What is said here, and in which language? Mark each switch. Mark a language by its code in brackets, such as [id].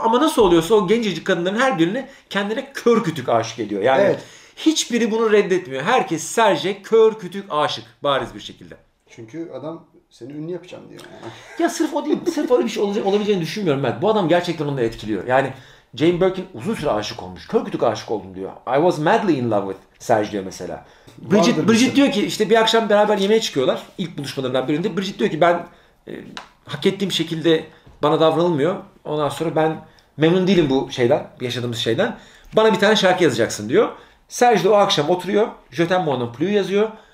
[tr] Ama nasıl oluyorsa o gencecik kadınların her birini kendine kör kütük aşık ediyor. Yani evet. Hiçbiri bunu reddetmiyor. Herkes Serj'e kör kütük aşık bariz bir şekilde. Çünkü adam... Seni ünlü yapacağım diyor. Ya sırf o değil. Sırf öyle bir şey olabileceğini düşünmüyorum ben. Bu adam gerçekten onu etkiliyor. Yani Jane Birkin uzun süre aşık olmuş. Kör kütük aşık oldum diyor. [en] I was madly in love with Serge [tr] diyor mesela. Bridget diyor ki işte bir akşam beraber yemeğe çıkıyorlar. İlk buluşmalarından birinde. Bridget diyor ki ben hak ettiğim şekilde bana davranılmıyor. Ondan sonra ben memnun değilim bu şeyden. Yaşadığımız şeyden. Bana bir tane şarkı yazacaksın diyor. Serge de o akşam oturuyor. Je t'aime mon plus yazıyor.